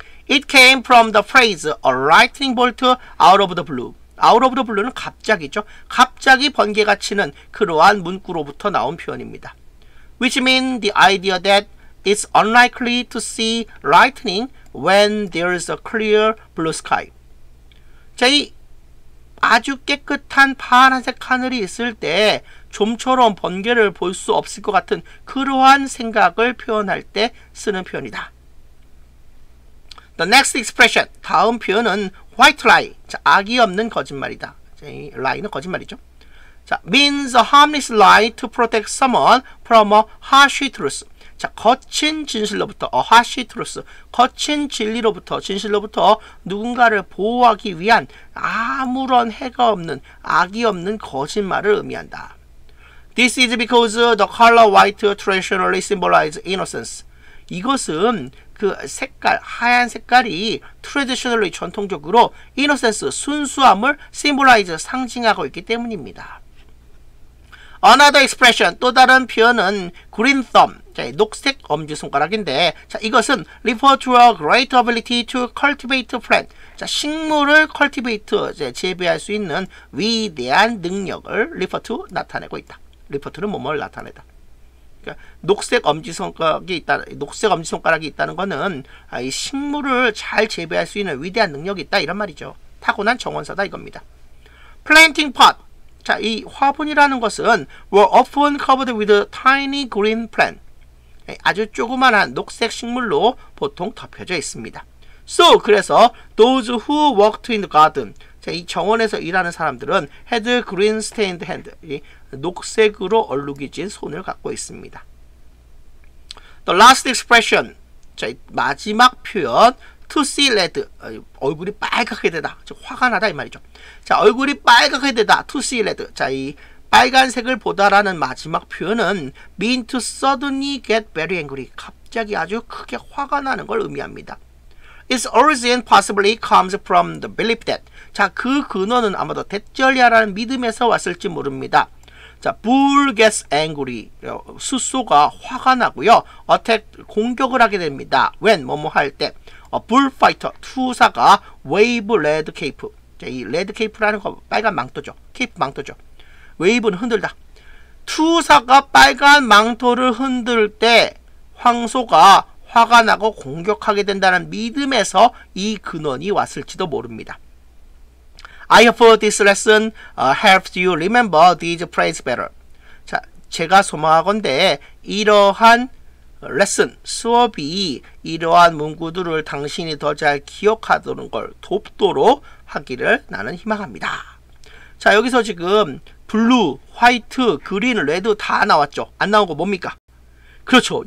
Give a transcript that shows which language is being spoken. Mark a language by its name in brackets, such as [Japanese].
[English] It came from the phrase a lightning bolt out of the blue. [Korean] Out of the blue는 갑자기죠. 갑자기 번개가 치는 그러한 문구로부터 나온 표현입니다. [English] Which means the idea that it's unlikely to see lightning when there is a clear blue sky. [Korean] 자, 이 아주 깨끗한 파란색 하늘이 있을 때 좀처럼 번개를 볼 수 없을 것 같은 그러한 생각을 표현할 때 쓰는 표현이다. [English] The next expression, [Korean] 다음 표현은 white lie, 자, 악의 없는 거짓말이다. [English] 자, [Korean] 이 lie는 거짓말이죠. [English] 자, means a harmless lie to protect someone from a harsh truth. [Korean] 자, 거친 진실로부터, a harsh truth, 거친 진리로부터, 진실로부터 누군가를 보호하기 위한 아무런 해가 없는, 악의 없는 거짓말을 의미한다. [English] This is because the color white traditionally symbolizes innocence. [Korean] 이것은 그 색깔, 하얀 색깔이 traditionally, 전통적으로 innocence, 순수함을 symbolize, 상징하고 있기 때문입니다. Another expression, 또 다른 표현은 green thumb, 자, 녹색 엄지손가락인데 자, 이것은 [English] refer to a great ability to cultivate plant, [Korean] 자, 식물을 cultivate, 자, 재배할 수 있는 위대한 능력을 refer to 나타내고 있다. refer to는 뭐뭐를 나타내다. 그러니까 녹색 엄지손가락이 있다. 녹색 엄지손가락이 있다는 거는 이 식물을 잘 재배할 수 있는 위대한 능력이 있다 이런 말이죠. 타고난 정원사다 이겁니다. [English] Planting pot. 자, [Korean] 이 화분이라는 것은 [English] were often covered with a tiny green plant. [Korean] 아주 조그만한 녹색 식물로 보통 덮여져 있습니다. [English] So, 그래서 those who worked in the garden. [Korean] 자, 이 정원에서 일하는 사람들은 [English] had green stained hand. [Korean] 녹색으로 얼룩이 진 손을 갖고 있습니다. [English] The last expression. [Korean] 자, 이 마지막 표현. [English] To see red. [Korean] 얼굴이 빨갛게 되다. 즉, 화가 나다 이 말이죠. 자, 얼굴이 빨갛게 되다. [English] To see red. 자, [Korean] 이 빨간색을 보다라는 마지막 표현은 [English] mean to suddenly get very angry. [Korean] 갑자기 아주 크게 화가 나는 걸 의미합니다. [English] Its origin possibly comes from the belief that. [Korean] 자, 그 근원은 아마도 대절이야라는 믿음에서 왔을지 모릅니다. 자, [English] bull gets angry. [Korean] 숫소가 화가 나고요. [English] attack, [Korean] 공격을 하게 됩니다. [English] when, 뭐뭐 할 때. A bullfighter, 투사가 wave red cape. [Korean] 자, 이 red cape라는 거 빨간 망토죠. cape 망토죠. wave는 흔들다. 투사가 빨간 망토를 흔들 때 황소가 화가 나고 공격하게 된다는 믿음에서 이 근원이 왔을지도 모릅니다. [English] I hope this lesson helps you remember these phrases better. [Korean] 자, 제가 소망하건대 이러한 레슨, 수업이 이러한 문구들을 당신이 더 잘 기억하는 걸 돕도록 하기를 나는 희망합니다. 자, 여기서 지금 블루, 화이트, 그린, 레드 다 나왔죠. 안 나온 거 뭡니까? 그렇죠.